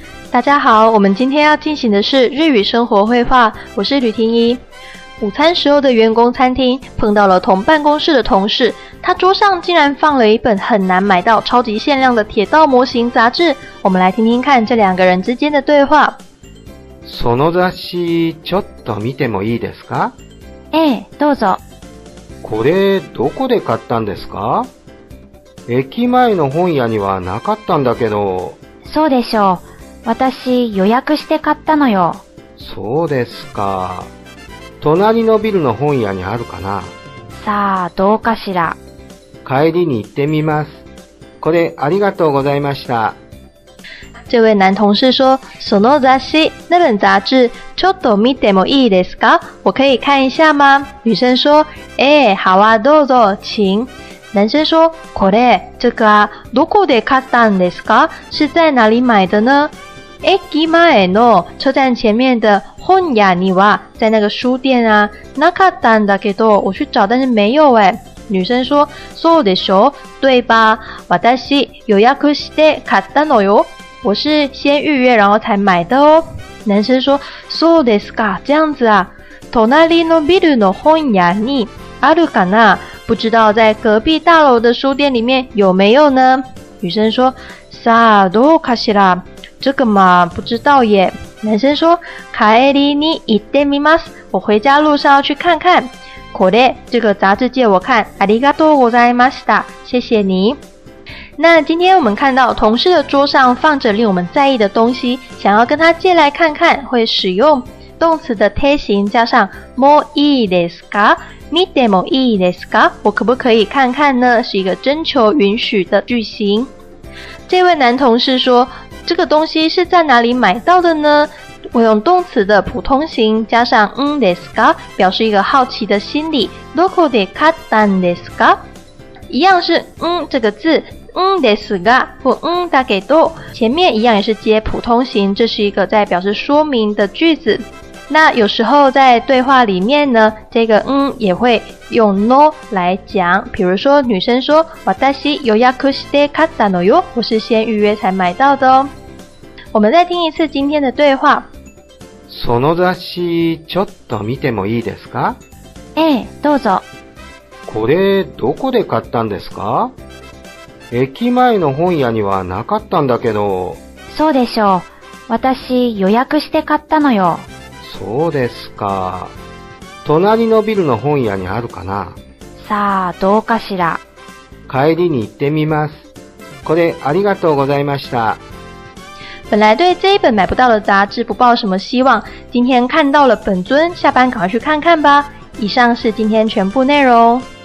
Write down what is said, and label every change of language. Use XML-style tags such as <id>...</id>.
<zh>大家好，我们今天要进行的是日语生活绘画，我是吕婷一。午餐时候的员工餐厅碰到了同办公室的同事，他桌上竟然放了一本很难买到、超级限量的铁道模型杂志。我们来听听看这两个人之间的对话。</zh> <ja>その雑誌ちょっと見てもいいですか？ええ、どうぞ。これどこで買ったんですか？駅前の本屋にはなかったんだけど。そうでしょう。私予約して買ったのよ。そうですか。隣のビルの本屋にあるかな。さあ、どうかしら。帰りに行ってみます。これありがとうございました。</ja> <zh>这位男同事说，</zh> <ja>その雑誌</ja> <zh>那本杂志</zh> <ja>ちょっと見てもいいですか？</ja> <zh>我可以看一下吗？女生说，</zh> <ja>ええ、</ja> <zh>好啊、</zh> <ja>どうぞ、</ja> <zh>请。男生说，</zh> <ja>これ、</ja> <zh>这个啊、</zh> <ja>どこで買ったんですか？</ja> <zh>是在哪里买的呢？</zh> <ja>駅前の</ja> <zh>车站前面的</zh> <ja>本屋には，</ja> <zh>在那个书店啊。</zh> <ja>なかったんだけど，</ja> <zh>我去找，但是没有哎。女生说，</zh> <ja>そうでしょう，</ja> <zh>对吧？</zh> <ja>私予約して買ったのよ。</ja> <zh>我是先预约，然后才买的哦。男生说，</zh> <ja>そうですか，</ja> <zh>这样子啊。</zh> <ja>隣のビルの本屋にあるかな？</ja> <zh>不知道在隔壁大楼的书店里面有没有呢？女生说，</zh> <ja>さあどうかしら。</ja> <zh>这个嘛，不知道耶。男生说，</zh> <ja>帰りに行ってみます。</ja> <zh>我回家路上要去看看。</zh> <ja>これ，</ja> <zh>这个杂志借我看。</zh> <ja>ありがとうございました。</ja> <zh>谢谢你。那今天我们看到同事的桌上放着令我们在意的东西，想要跟他借来看看，会使用动词的贴形加上もいいですか？</zh> <ja>見てもいいですか？</ja> <zh>我可不可以看看呢？是一个征求允许的句型。这位男同事说，这个东西是在哪里买到的呢？我用动词的普通形加上んですか？表示一个好奇的心理。</zh> <ja>どこで買ったんですか？</ja> <zh>一样是ん这个字。嗯ですが或嗯だけど，前面一样也是接普通形，这是一个在表示说明的句子。那有时候在对话里面呢，这个嗯也会用 no 来讲。比如说女生说，</zh> <ja>私予約して買ったのよ，</ja> <zh>我是先预约才买到的哦。我们再听一次今天的对话。</zh> <ja>その雑誌ちょっと見てもいいですか？ええ、どうぞ。これどこで買ったんですか？駅前の本屋にはなかったんだけど。そうでしょう。私予約して買ったのよ。そうですか。隣のビルの本屋にあるかな。さあどうかしら。帰りに行ってみます。これありがとうございました。</ja> <zh>本来对这一本买不到的杂志不抱什么希望，今天看到了本尊，下班赶快去看看吧。以上是今天全部内容。</zh>